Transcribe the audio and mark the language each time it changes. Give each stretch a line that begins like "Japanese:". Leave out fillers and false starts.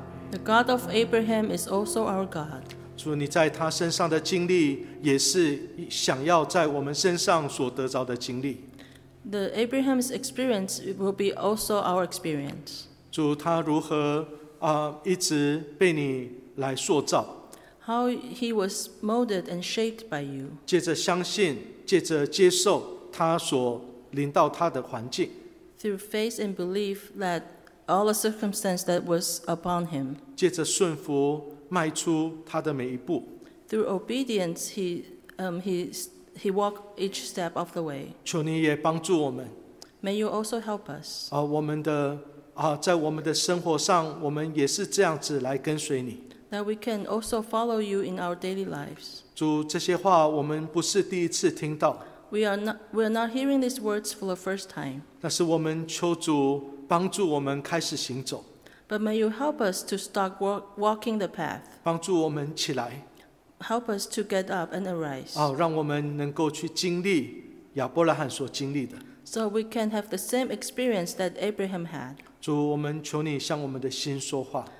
English: The God of Abraham is also our God.
Chinese: 主，你在他身上的经历，也是想要在我们身上所得着的经历。
English: The Abraham's experience will be also our experience.
Chinese: 主，他如何一直被你来塑造？
English: How he was molded and shaped by you.
Chinese: 借着相信，借着接受他所临到他的环境。
English: Through faith and belief that all the circumstances that was upon him.
Chinese: 借着顺服迈出他的每一步。
English: Through obedience, he walked each step of the way.
Chinese: 求你也帮助我们。
English: May you also help us.
Chinese: 我们的在我们的生活上，我们也是这样子来跟随你。
English: That we can also follow you in our daily lives.
Chinese: 主，这些话我们不是第一次听到。
English: We are not hearing these words for the first time.
Chinese: 但是我们求主帮助我们开始行走。
English: But may you help us to start walking the path.
Chinese: 帮助我们起来。
English: Help us to get up and arise.
Chinese: 让我们能够去经历亚伯拉罕所经历的。
English: So we can have the same experience that Abraham had.
Chinese: 主，我们求你向我们的心说话。